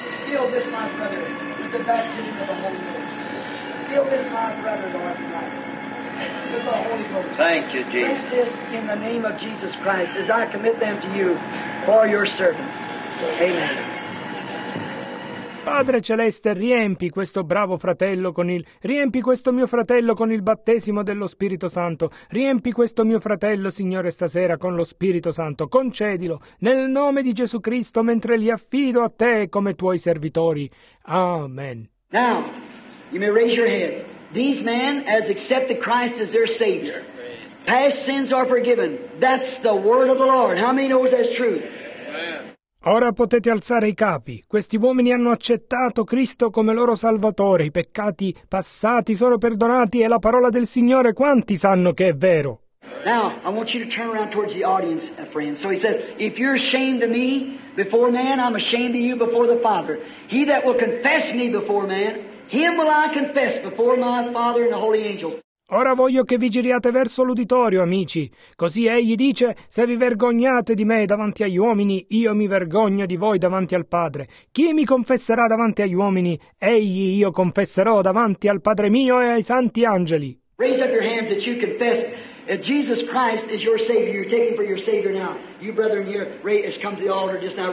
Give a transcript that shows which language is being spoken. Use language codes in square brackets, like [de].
[en] Feel this, my brother, with the baptism of the Holy Ghost. Feel this, my brother, Lord, tonight, with the Holy Ghost. Thank you, Jesus. Take this in the name of Jesus Christ as I commit them to you for your servants. Amen. [it] Padre Celeste, riempi questo bravo fratello con il... Riempi questo mio fratello con il battesimo dello Spirito Santo. Riempi questo mio fratello, Signore, stasera con lo Spirito Santo. Concedilo, nel nome di Gesù Cristo, mentre li affido a Te come Tuoi servitori. Amen. [en] Now, you may raise your head. These men has accepted Christ as their Savior. Past sins are forgiven. That's the word of the Lord. How many knows that's true? [it] Ora potete alzare i capi. Questi uomini hanno accettato Cristo come loro Salvatore. I peccati passati sono perdonati e la parola del Signore. Quanti sanno che è vero? [en] Now, I want you to turn around towards the audience, friends. So he says, if you're ashamed of me before man, I'm ashamed of you before the Father. He that will confess me before man, him will I confess before my Father and the holy angels. [it] Ora voglio che vi giriate verso l'uditorio, amici. Così egli dice, se vi vergognate di me davanti agli uomini, io mi vergogno di voi davanti al Padre. Chi mi confesserà davanti agli uomini? Egli io confesserò davanti al Padre mio e ai santi angeli. [en] Raise up your hands that you confess that Jesus Christ is your Savior. You're taking for your Savior now. You brethren here, raise, come to the altar just now.